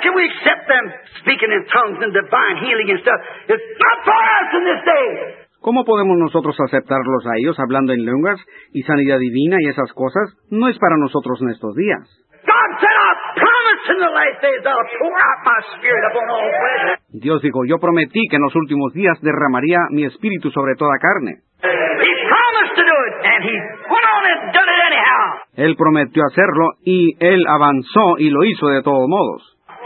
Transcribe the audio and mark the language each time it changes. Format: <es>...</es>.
<en>can we accept them speaking in tongues and divine healing and stuff? It's not for us in this day.</en> <es>¿Cómo podemos nosotros aceptarlos a ellos hablando en lenguas y sanidad divina y esas cosas? No es para nosotros en estos días.</es> <en>God said, I promise in the last days I'll pour out my spirit upon all flesh.</en> <es>Dios dijo, yo prometí que en los últimos días derramaría mi espíritu sobre toda carne.</es> <en>He promised to do it, and he went on and done it anyhow.</en> <es>Él prometió hacerlo, y él avanzó y lo hizo de todos modos.</es>